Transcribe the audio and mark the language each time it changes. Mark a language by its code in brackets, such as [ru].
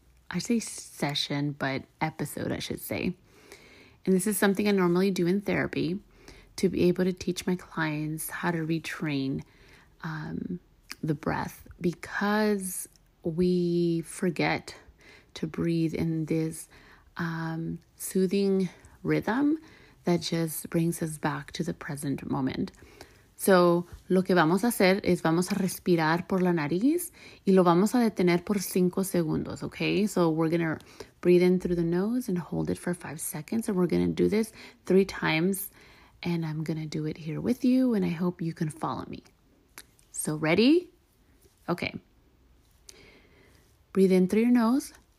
[en] I say session, but episode, I should say. And this is something I normally do in therapy to be able to teach my clients how to retrain the breath, because we forget to breathe in this soothing rhythm that just brings us back to the present moment. [es] So lo que vamos a hacer es vamos a respirar por la nariz y lo vamos a detener por 5 segundos, okay? [en] So we're going to breathe in through the nose and hold it for 5 seconds, and we're going to do this 3 times, and I'm going to do it here with you, and I hope you can follow me. So ready? Okay. Breathe in through your nose.